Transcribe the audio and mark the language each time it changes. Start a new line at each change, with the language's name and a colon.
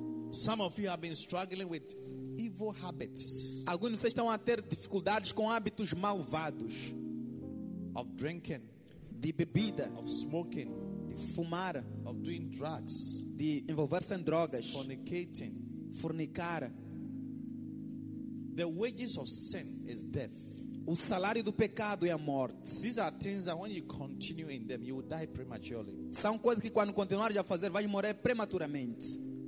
English: Some of you have been struggling with evil habits.
Portuguese: Alguns de vocês estão a ter dificuldades com hábitos malvados.
English: Of drinking.
Portuguese: De bebida.
English: Of smoking.
Portuguese: De fumar.
English: Of doing drugs.
Portuguese: De envolver-se em drogas.
English: Fornicating.
Portuguese: Fornicar.
English: The wages of sin is death.
Portuguese: O salário do pecado é a morte.
English: These are things that when you continue in them, you will die prematurely.
Portuguese: São coisas que quando continuar a fazer, vai morrer prematuramente.